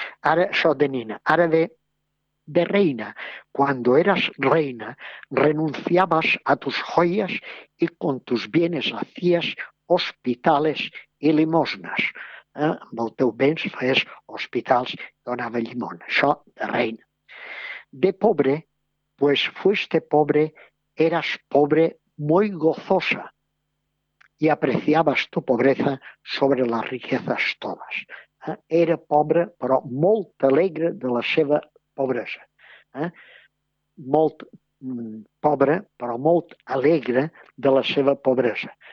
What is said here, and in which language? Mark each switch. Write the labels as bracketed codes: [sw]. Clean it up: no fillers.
[ca] Ara, això de nina, ara de reina. [es] Cuando eras reina, renunciabas a tus joyas y con tus bienes hacías hospitales y limosnas. [ca] Amb el teu béns feies hospitals, donava llimona. Això de reina. De pobre, [es] Pues fuiste pobre, eras pobre muy gozosa y apreciabas tu pobreza sobre las riquezas todas. [ca] Era pobre, pero molt alegre de la seva pobresa. Molt pobre, però molt alegre de la seva pobresa.